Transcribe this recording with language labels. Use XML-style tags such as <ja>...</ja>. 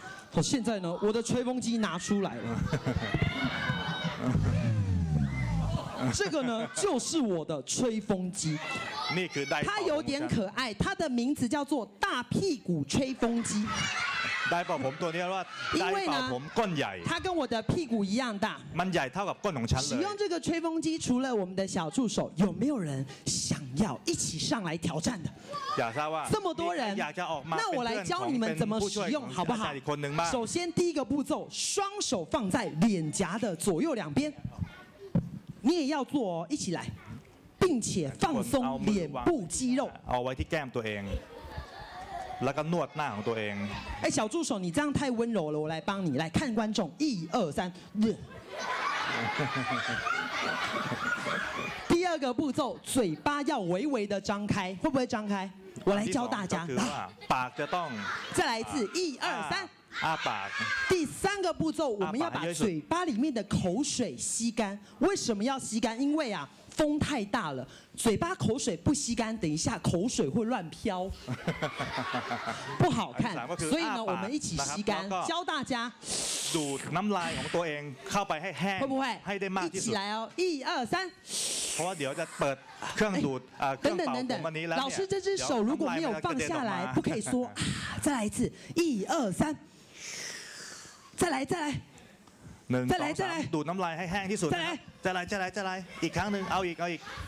<zh>好，现在呢，我的吹风机拿出来了。这个呢，就是我的吹风机。它有点可爱，它的名字叫做大屁股吹风机。</zh> <th>大宝盆ตัวนี้ว่าได้ปากผมก้นใหญ่</th> <zh>它跟我的屁股一样大</zh> <th>มันใหญ่เท่ากับก้นของฉันเลย</th> <zh>使用这个吹风机除了我们的小助手有没有人想要一起上来挑战的</zh> <th>อยากทราบว่า</th> <zh>这么多人</zh> <th>อยากจะออกมา</th> <zh>那我来教你们怎么使用好不好首先第一个步骤双手放在脸颊的左右两边你也要做哦一起来并且放松脸部肌肉</zh> <th>เอาไว้ที่แก้มตัวเอง แล้วก็นวดหน้าของตัวเอง</th> <zh>ไอ้小助手你这样太温柔了我来帮你来看观众一二三第二个步骤嘴巴要微微的张开会不会张开我来教大家</zh> <th>ปากจะต้อง</th> <zh>จะ来一次一二三</zh> <th>อาปาก</th> <zh>第三个步骤我们要把嘴巴里面的口水吸干为什么要吸干因为啊风太大了嘴巴口水不吸干等一下口水会乱飘不好看所以呢我们一起吸干教大家</zh> <th>ดูดน้ำลายของตัวเองเข้าไปให้แห้ง ให้ได้มาก ที่สุด</th> <zh>一起来哦一二三</zh> <th>เพราะว่าเดี๋ยวจะเปิดเครื่องดูดเครื่องเป่าของวันนี้แล้ว</th> <zh>老师这只手如果没有放下来不可以说再来一次一二三再来再来</zh> <th>1 2 3ดูดน้ำลายให้แห้งที่สุด จะ ไรจะไรจะไรอีกครั้งนึงเอาอีกเอาอีก</th>